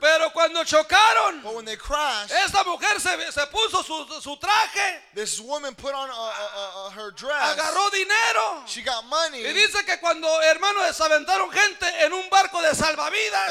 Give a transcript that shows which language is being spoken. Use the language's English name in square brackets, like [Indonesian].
[Spanish] Pero cuando chocaron, [English] but when they crashed, [Spanish] esta mujer se puso su traje. [English] This woman put on her dress. [Spanish] Agarró dinero. [English] She got money. [Spanish] Y dice que cuando, hermanos, se aventaron gente en un barco de salvavidas.